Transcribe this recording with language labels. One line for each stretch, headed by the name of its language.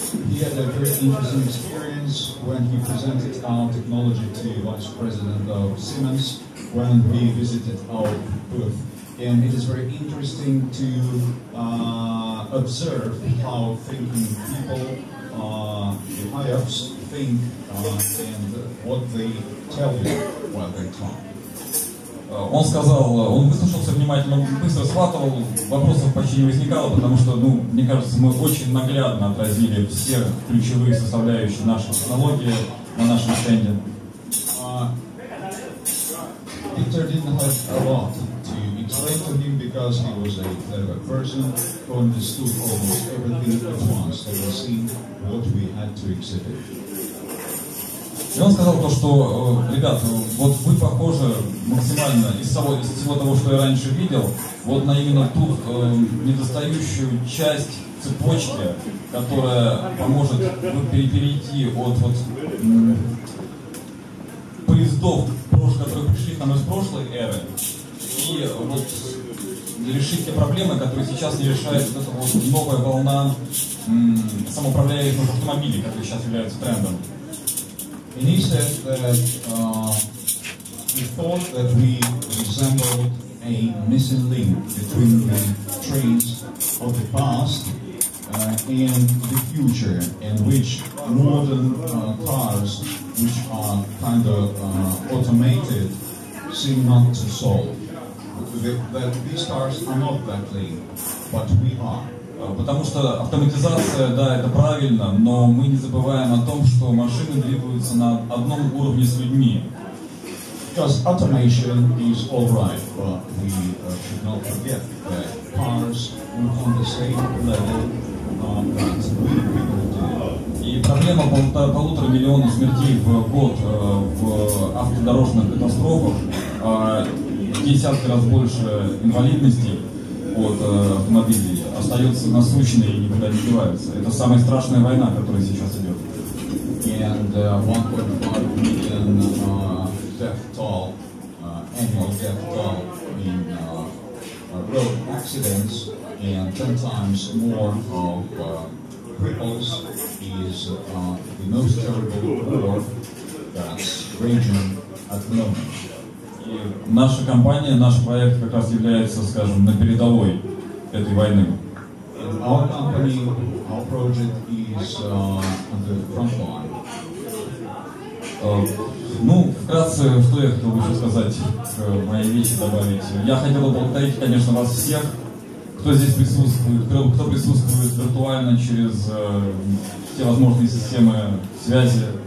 English: He had a very interesting experience when he presented our technology to Vice President of Siemens when he visited our booth. And it is very interesting to observe how thinking people, the high-ups, think and what they tell you while they talk.
Russian: Он сказал, он выслушался внимательно, быстро схватывал, вопросов почти не возникало, потому что, ну, мне кажется, мы очень наглядно отразили все ключевые составляющие нашей технологии на нашем стенде.
English: Victor didn't have a lot to explain to him because he was a clever person who understood almost everything at once. He was seeing what we had to exhibit.
Russian: И он сказал то, что, ребят, вот вы похожи максимально из всего того, что я раньше видел, вот на именно ту недостающую часть цепочки, которая поможет перейти от вот поездов, которые пришли к нам из прошлой эры, и вот решить те проблемы, которые сейчас не решает вот эта вот новая волна самоуправляемых автомобилей, которые сейчас являются трендом.
English: And he said that he thought that we resembled a missing link between the trains of the past and the future, in which modern cars, which are kind of automated, seem not to solve. That these cars are not that link, but we are.
Russian: Потому что автоматизация, да, это правильно, но мы не забываем о том, что машины двигаются на одном уровне с людьми.
English: Because automation is all right, but we should not forget that cars are on the same level as we people do.
Russian: И проблема полутора миллиона смертей в год в автодорожных катастрофах, в десятки раз больше инвалидности от автомобилей, остается насущной и никуда не девается. Это самая страшная война, которая сейчас идет.
English: And 1.5 million death toll, annual death toll in road accidents, and 10 times more of cripples is the most terrible war that's raging at the moment.
Russian: И наша компания, наш проект как раз является, скажем, на передовой этой войны.
English: Our company, our project is on the front line.
Russian: Ну, вкратце, что я хотел бы еще сказать, к моей вещи добавить. Я хотел бы поблагодарить, конечно, вас всех, кто здесь присутствует, кто присутствует виртуально через все возможные системы связи.